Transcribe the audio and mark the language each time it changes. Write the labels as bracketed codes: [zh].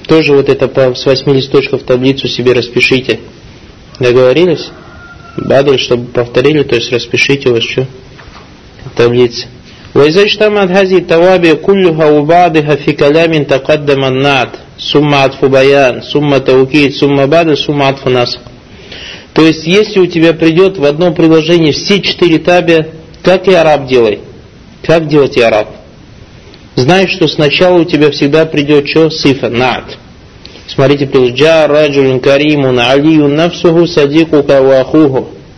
[ru] Тоже вот это с 8 листочков таблицу себе распишите. Договорились? Бадль, чтобы повторили, то есть распишите у вас что? Таблицы. [ar] وإذا اجتمعت هذه التوابع كلها وبعضها في كلام تقدم النعت ثم عطف بيان ثم توكيد ثم بعد ثم عطف نسق. [ru] То есть если у тебя придет в одном предложении все четыре табиа, как и араб делай? Как делать и араб? Знаешь, что сначала у тебя всегда придет что? Сифа, наат. Смотрите, [ar] джа, раджулин, каримун, алию, нафсуху, садику, кавахуху.